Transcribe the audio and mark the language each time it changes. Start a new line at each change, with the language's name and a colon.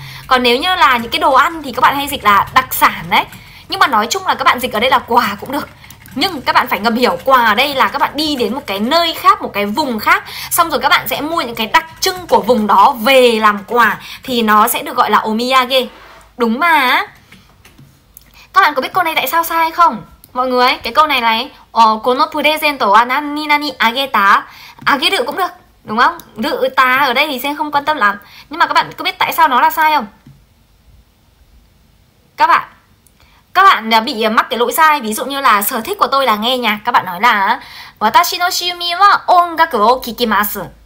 Vietnamese: Còn nếu như là những cái đồ ăn thì các bạn hay dịch là đặc sản đấy. Nhưng mà nói chung là các bạn dịch ở đây là quà cũng được. Nhưng các bạn phải ngầm hiểu quà ở đây là các bạn đi đến một cái nơi khác, một cái vùng khác, xong rồi các bạn sẽ mua những cái đặc trưng của vùng đó về làm quà thì nó sẽ được gọi là omiyage. Đúng mà. Các bạn có biết câu này tại sao sai không? Mọi người, cái câu này này,
Japanese: このプレゼントは何々あげた。あげる
Vietnamese: cũng được, đúng không? Được ta ở đây thì sẽ không quan tâm lắm. Nhưng mà các bạn có biết tại sao nó là sai không? Các bạn đã bị mắc cái lỗi sai, ví dụ như là sở thích của tôi là nghe nhạc, các bạn nói là
Japanese: watashi no shumi wa ongaku wo kikimasu.